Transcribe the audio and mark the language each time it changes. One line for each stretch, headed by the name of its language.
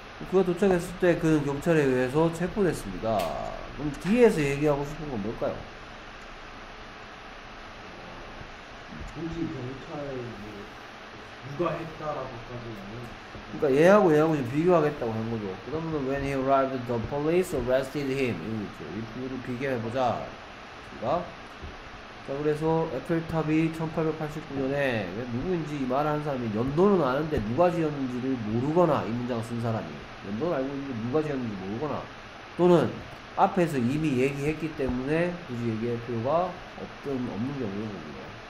Korean: 그가 도착했을 때 그는 경찰에 의해서 체포됐습니다. 그럼 뒤에서 얘기하고 싶은 건 뭘까요? 굳이 경찰이 누가 했다라고까지는 그러니까 얘하고 지금 비교하겠다고 한 거죠. 그러면
English: when he arrived, the police arrested him.
Korean: 이 부분을 비교해보자. 그러니까? 자, 그래서 에펠탑이 1889년에 누구인지 말하는 사람이 연도는 아는데 누가 지었는지를 모르거나 이 문장 쓴 사람이 연도는 알고 있는데 누가 지었는지 모르거나 또는 앞에서 이미 얘기했기 때문에 굳이 얘기할 필요가 없는 경우인 겁니다.